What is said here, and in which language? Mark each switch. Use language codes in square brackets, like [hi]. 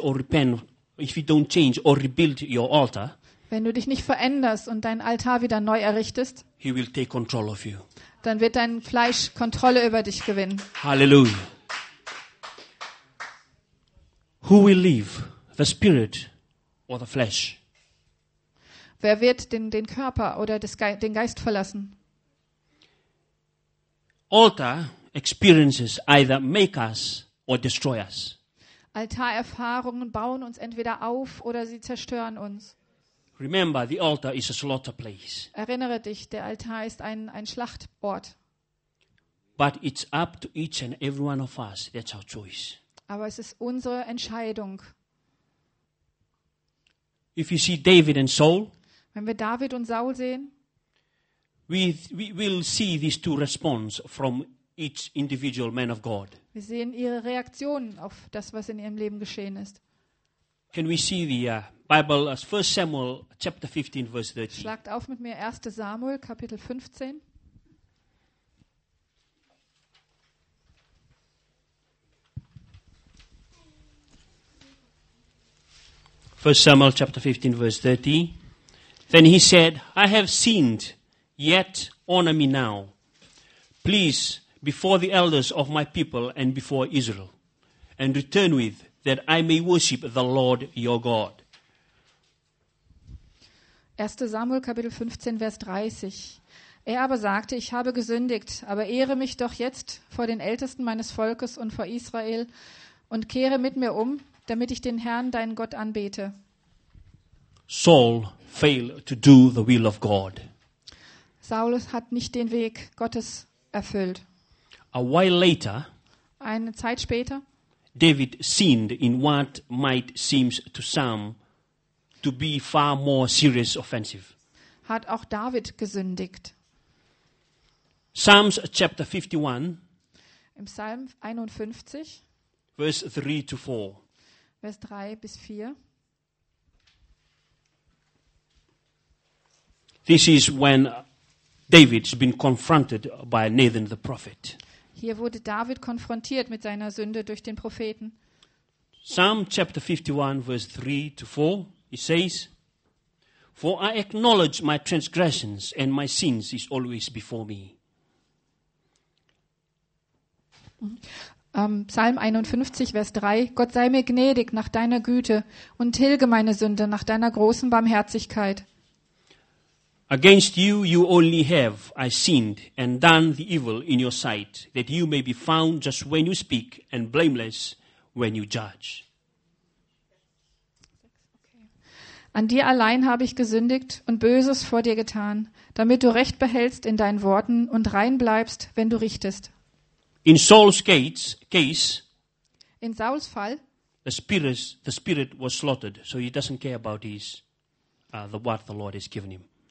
[en] If you don't change or rebuild your altar. [de] Wenn du dich nicht veränderst und dein Altar wieder neu errichtest, [en] he will take control of you. [de] Dann wird dein Fleisch Kontrolle über dich gewinnen. Halleluja. [en] Who will live, the spirit or the flesh? [de] Wer wird den Körper oder den Geist verlassen? [en] Altar experiences either make us or destroy us. [de] Altarerfahrungen bauen uns entweder auf oder sie zerstören uns. [en] Remember, the altar is a slaughter place. [de] Erinnere dich, der Altar ist ein Schlachtort. [en] But it's up to each and every one of us. That's our choice. [de] Aber es ist unsere Entscheidung. [en] If you see David and Saul, [de] wenn wir David und Saul sehen, [en] we will see these two responses from each individual man of God. [de] Wir sehen ihre Reaktionen auf das, was in ihrem Leben geschehen ist. [en] Can we see the Bible as 1 Samuel chapter 15 verse 13. [de] Schlagt auf mit mir 1. Samuel Kapitel 15. [en] First Samuel chapter 15 verse 13. Then he said, I have sinned, yet honor me now. Please, before the elders of my people and before Israel, and return with that I may worship the Lord your God. [de] 1. Samuel, Kapitel 15, Vers 30. Er aber sagte, ich habe gesündigt, aber ehre mich doch jetzt vor den Ältesten meines Volkes und vor Israel und kehre mit mir um, damit ich den Herrn, deinen Gott, anbete. [en] Saul failed to do the will of God. [de] Saul hat nicht den Weg Gottes erfüllt. [en] A while later, [de] eine Zeit später, [en] David sinned in what might seem to some to be far more serious offensive. [de] Hat auch David gesündigt. [en] Psalms chapter 51, [de] im Psalm 51, [en] verse 3 to 4. [de] Vers 3 bis 4. [en] This is when David's been confronted by Nathan the prophet. [de] Hier wurde David konfrontiert mit seiner Sünde durch den Propheten. [en] Psalm chapter 51 verse 3 to 4, it says, For I acknowledge my transgressions and my sins is always before me. [de] Psalm 51, Vers 3, Gott sei mir gnädig nach deiner Güte und tilge meine Sünde nach deiner großen Barmherzigkeit. [en] Against you only have I sinned and done the evil in your sight, that you may be found just when you speak and blameless when you judge. [de] An dir allein habe ich gesündigt und Böses vor dir getan, damit du Recht behältst in deinen Worten und rein bleibst, wenn du richtest. [en] In Saul's case, [de] in Sauls Fall, [en] the spirit was slaughtered, so he doesn't care about his the what the Lord has given him.